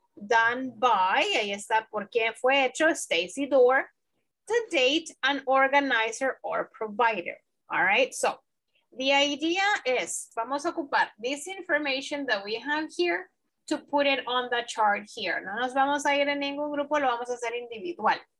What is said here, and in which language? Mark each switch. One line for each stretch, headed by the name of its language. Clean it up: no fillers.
English: Done by,
Spanish: ahí está, por quién fue hecho, Stacy Dorr.
English: To date, an organizer or provider. All right, so the idea is,
Spanish: vamos a ocupar
English: this information that we have here to put it on the chart here.
Spanish: No nos vamos a ir en ningún grupo, lo vamos a hacer individual.